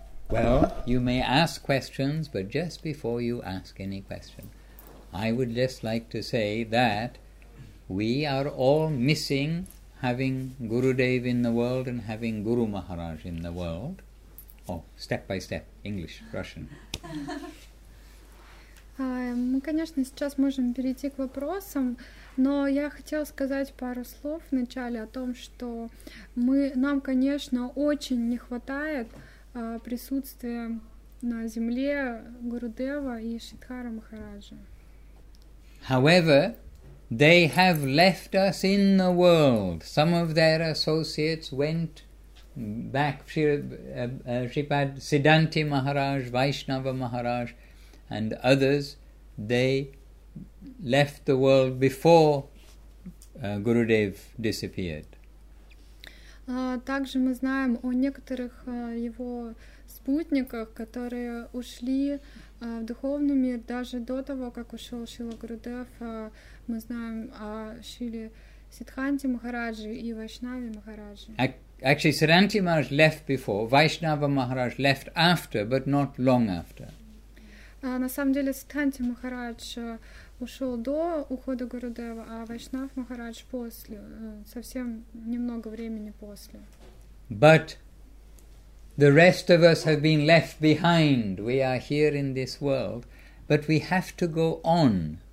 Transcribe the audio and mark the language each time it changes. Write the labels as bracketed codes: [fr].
[en] Well, you may ask questions, but just before you ask any question, I would just like to say that we are all missing having Gurudev in the world and having Guru Maharaj in the world. Oh, step by step, English, Russian. [ru] Мы, конечно, сейчас можем перейти к вопросам, но я хотела сказать пару слов вначале о том, что нам, конечно, очень не хватает присутствия на земле Гурудева и Шридхары Махараджа. [en] However, they have left us in the world. Some of their associates went back, Shripad Siddhanti Maharaj, Vaishnava Maharaj, and others, they left the world before Gurudev disappeared. [ru] Также мы знаем о некоторых его спутниках, которые ушли в духовный мир даже до того, как ушел Шрила Гурудев. Мы знаем о Шриле Сиддханте Махараджи и Вайшнаве Махараджи. [en] Actually, Siddhanti Maharaj left before, Vaishnava Maharaj left after, but not long after. [ru] На самом деле, Сиддханте Махарадж ушел до ухода Гурудева, а Вайшнав Махарадж после, совсем немного времени после. [en] But the rest of us have been left behind. We are here in this world, but we have to go on.